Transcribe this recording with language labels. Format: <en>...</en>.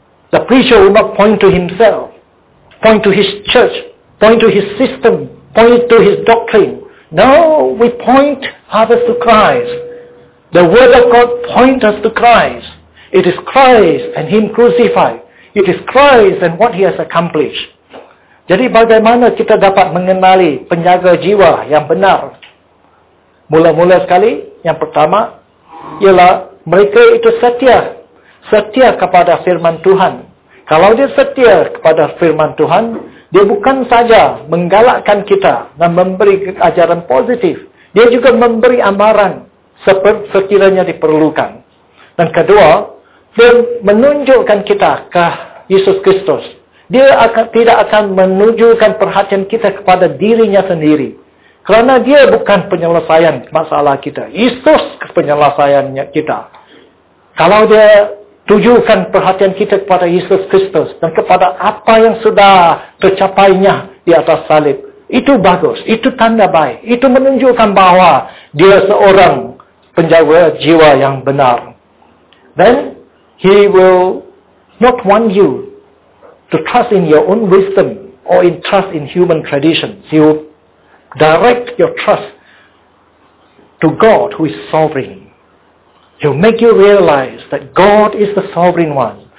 <en>The preacher will not point to himself, point to his church, point to his system, point to his doctrine. No, we point others to Christ. The word of God points us to Christ. It is Christ and him crucified. It is Christ and what he has accomplished.</en> <ms>Jadi bagaimana kita dapat mengenali penjaga jiwa yang benar? Mula-mula sekali, yang pertama, ialah mereka itu setia. Setia kepada firman Tuhan. Kalau dia setia kepada firman Tuhan, dia bukan saja menggalakkan kita dan memberi ajaran positif. Dia juga memberi amaran sekiranya diperlukan. Dan kedua, dia menunjukkan kita ke Yesus Kristus. Dia tidak akan menunjukkan perhatian kita kepada dirinya sendiri. Kerana dia bukan penyelesaian masalah kita. Yesus penyelesaiannya kita. Kalau dia tujukan perhatian kita kepada Yesus Kristus dan kepada apa yang sudah tercapainya di atas salib, itu bagus, itu tanda baik. Itu menunjukkan bahwa dia seorang penjaga jiwa yang benar.</ms> <en>Then he will not want you to trust in your own wisdom or in trust in human traditions. He will direct your trust to God who is sovereign. He'll make you realize that God is the sovereign one.</en>